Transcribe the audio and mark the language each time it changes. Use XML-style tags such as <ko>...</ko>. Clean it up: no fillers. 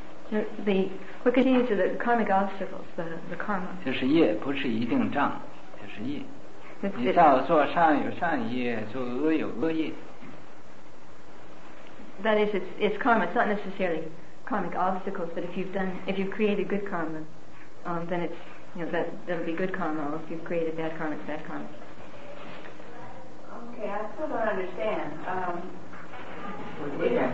<en>The what could you use the karmic obstacles the karma？</en> <zh>就是业，不是一定障，就是业。你造作善有善业，作恶有恶业。</zh> <en>That is, it's karma. It's not necessarily karmic obstacles, but if you've created good karma, then it's, you know, that'll be good karma, or if you've created bad karma, it's bad karma. Okay, I still don't understand.</en>